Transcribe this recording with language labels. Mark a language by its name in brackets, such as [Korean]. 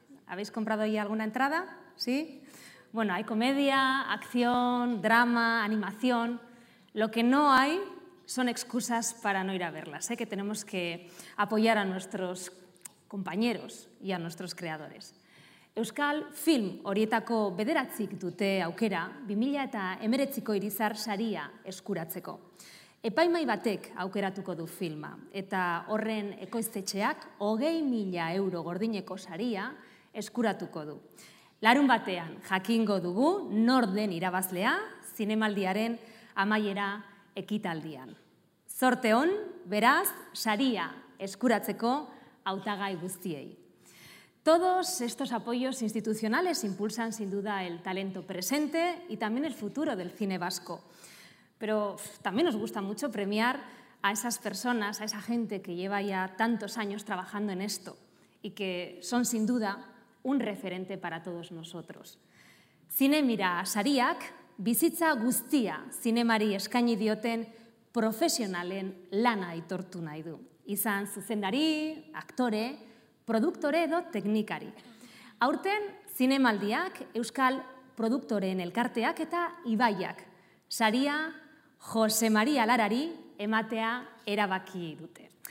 [Spanish] ¿Habéis comprado ya alguna entrada? ¿Sí? Bueno, hay comedia, acción, drama, animación. Lo que no hay son excusas para no ir a verlas. Que tenemos que apoyar a nuestros compañeros y a nuestros creadores. [Basque] Euskal Film horietako bederatzik dute aukera 2019ko Irizar saria eskuratzeko. Epaimai batek aukeratuko du filma eta horren ekoiztetxeak 20.000 euro gordineko saria eskuratuko du. Larun batean jakingo dugu nor den irabazlea Zinemaldiaren amaiera ekitaldian. Zorte on, beraz, saria eskuratzeko hautagai guztiei. [Spanish] Todos estos apoyos institucionales impulsan sin duda el talento presente y también el futuro del cine vasco. Pero también nos gusta mucho premiar a esas personas, a esa gente que lleva ya tantos años trabajando en esto y que son sin duda un referente para todos nosotros. [Basque] Zinemira sariak bizitza guztia zinemari eskaini dioten profesionalen lana aitortu nahi du. Izan zuzendari, aktore, produktore edo teknikari. Aurten, Zinemaldiak, Euskal Produktoreen Elkarteak eta Ibaiak, saria Jose Maria Larari ematea erabaki dute.